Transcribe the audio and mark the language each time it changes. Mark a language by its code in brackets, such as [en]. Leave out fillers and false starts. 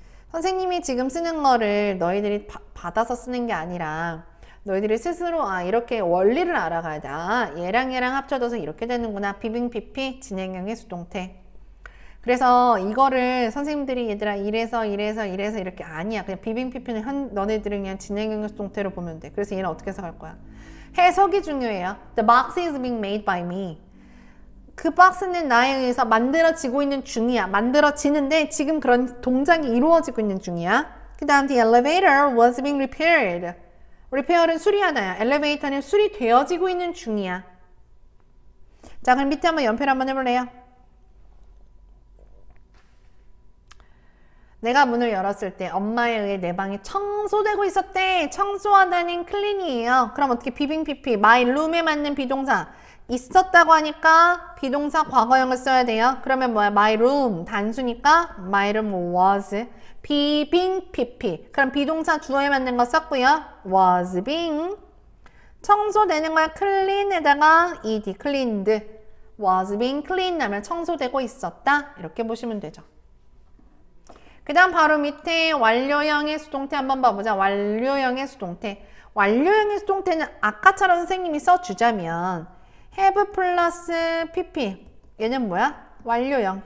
[ko] 선생님이 지금 쓰는 거를 너희들이 받아서 쓰는 게 아니라 너희들이 스스로 아 이렇게 원리를 알아가야 돼. 아 얘랑 얘랑 합쳐져서 이렇게 되는구나. 비빙 PP, 진행형의 수동태. 그래서 이거를 선생님들이 얘들아 이래서 이래서 이래서 이렇게 아니야. 그냥 비빙 PP는 너네들은 그냥 진행형 수동태로 보면 돼. 그래서 얘는 어떻게 해석할 거야? 해석이 중요해요. [en] The box is being made by me. [ko] 그 박스는 나에 의해서 만들어지고 있는 중이야. 만들어지는데 지금 그런 동작이 이루어지고 있는 중이야. 그 다음 [en] the elevator was being repaired. [ko] Repair은 수리하다야. Elevator는 수리되어지고 있는 중이야. 자, 그럼 밑에 한번 연필 한번 해볼래요? 내가 문을 열었을 때 엄마에 의해 내 방이 청소되고 있었대. 청소하다는 클린이에요. 그럼 어떻게 비빙 PP, my room에 맞는 비동사 있었다고 하니까 비동사 과거형을 써야 돼요. 그러면 뭐야? [en] my room [ko] 단수니까 [en] my room was 비빙 PP. [ko] 그럼 비동사 주어에 맞는 거 썼고요. was being 청소되는 거야. clean에다가 ed, cleaned. [en] was being cleaned [ko] 하면 청소되고 있었다 이렇게 보시면 되죠. 그 다음 바로 밑에 완료형의 수동태 한번 봐보자. 완료형의 수동태. 완료형의 수동태는 아까처럼 선생님이 써주자면 have 플러스 pp. 얘는 뭐야? 완료형.